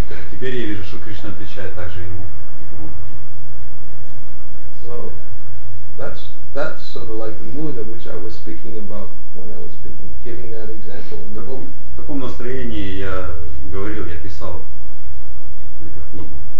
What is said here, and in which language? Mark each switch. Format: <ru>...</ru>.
<ru>Теперь я вижу, что Кришна отвечает также ему.</ru> <en>So that's sort of like the mood of which I was speaking about when I was speaking, giving that example.</en> <ru>В каком настроении я говорил, я писал эту книгу?</ru>